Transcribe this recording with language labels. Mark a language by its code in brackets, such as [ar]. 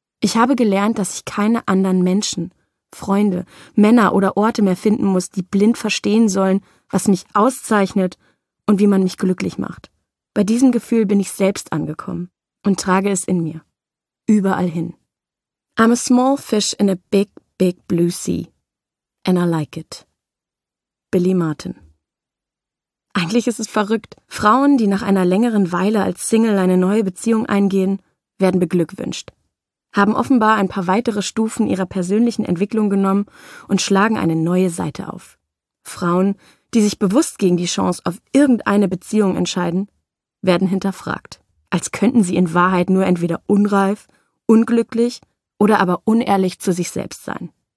[de] Ich habe gelernt, dass ich keine anderen Menschen, Freunde, Männer oder Orte mehr finden muss, die blind verstehen sollen, was mich auszeichnet und wie man mich glücklich macht. Bei diesem Gefühl bin ich selbst angekommen und trage es in mir, überall hin. [en] I'm a small fish in a big, big blue sea. And I like it. Billy Martin. [de] Eigentlich ist es verrückt. Frauen, die nach einer längeren Weile als Single eine neue Beziehung eingehen, werden beglückwünscht, haben offenbar ein paar weitere Stufen ihrer persönlichen Entwicklung genommen und schlagen eine neue Seite auf. Frauen, die sich bewusst gegen die Chance auf irgendeine Beziehung entscheiden, werden hinterfragt, als könnten sie in Wahrheit nur entweder unreif, unglücklich oder aber unehrlich zu sich selbst sein.